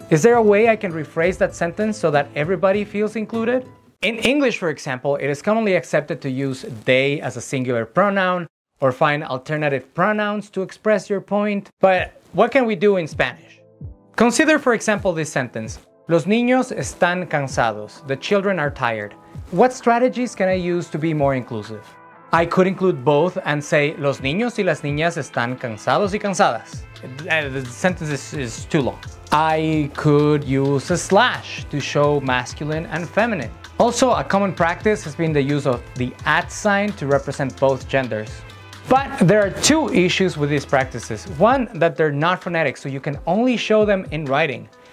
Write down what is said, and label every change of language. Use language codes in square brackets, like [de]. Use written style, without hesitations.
[en] Is there a way I can rephrase that sentence so that everybody feels included? In English, for example, it is commonly accepted to use they as a singular pronoun or find alternative pronouns to express your point. But what can we do in Spanish? Consider, for example, this sentence. [es] Los niños están cansados. [en] The children are tired. What strategies can I use to be more inclusive? I could include both and say, [es] los niños y las niñas están cansados y cansadas. [en] The sentence is too long. I could use a slash to show masculine and feminine. Also, a common practice has been the use of the at sign to represent both genders. But there are two issues with these practices. One, that they're not phonetic, so you can only show them in writing.